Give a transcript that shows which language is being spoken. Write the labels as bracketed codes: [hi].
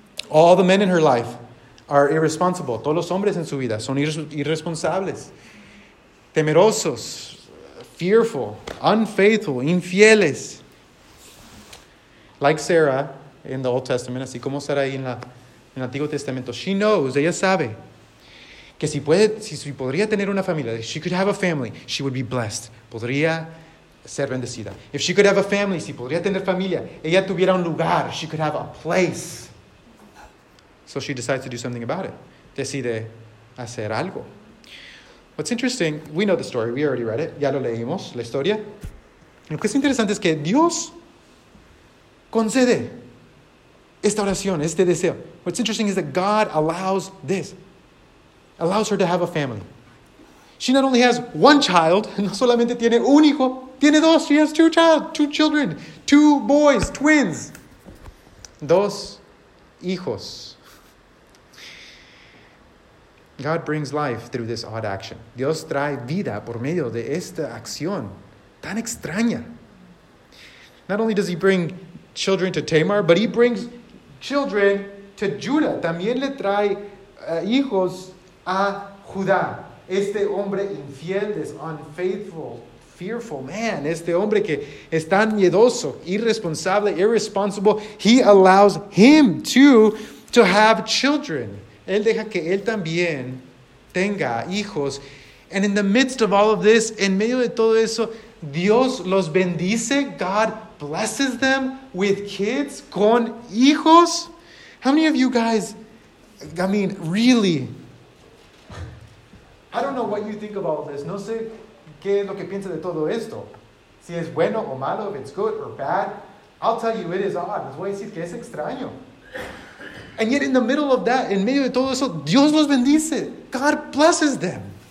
[en] All the men in her life are irresponsible. [es] Todos los hombres en su vida son irresponsables. Temerosos. [en] Fearful. Unfaithful. [es] Infieles. [en] Like Sarah in the Old Testament. [es] Así como Sarah en el Antiguo Testamento. [en] She knows. [es] Ella sabe. Que si puede, si podría tener una familia. [en] If she could have a family, she would be blessed. [es] Podría ser bendecida. [en] If she could have a family, [es] si podría tener familia, ella tuviera un lugar, [en] she could have a place. So she decides to do something about it. [es] Decide hacer algo. [en] What's interesting, we know the story, we already read it, [es] ya lo leímos, la historia. Lo que es interesante es que Dios concede esta oración, este deseo. [en] What's interesting is that God allows this, allows her to have a family. She not only has one child, [es] no solamente tiene un hijo, tiene dos, [en] she has two children, two boys, twins. [es] Dos hijos. [en] God brings life through this odd action. [es] Dios trae vida por medio de esta acción tan extraña. [en] Not only does he bring children to Tamar, but he brings children to Judah. [es] También le trae hijos a Judá. Este hombre infiel, [en] this unfaithful, fearful man, [es] este hombre que es tan miedoso, irresponsable, [en] irresponsible, he allows him to have children. [es] Él deja que él también tenga hijos. [en] And in the midst of all of this, [es] en medio de todo eso, Dios los bendice, [en] God blesses them with kids, [es] con hijos. [en] How many of you guys, I mean, really, I don't know what you think of all this. [es] No sé qué es lo que piensa de todo esto. Si es bueno o malo, [en] if it's good or bad. I'll tell you, it is odd. [es] Les voy a decir que es extraño. [en] And yet in the middle of that, [es] en medio de todo eso, Dios los bendice. [en] God blesses them.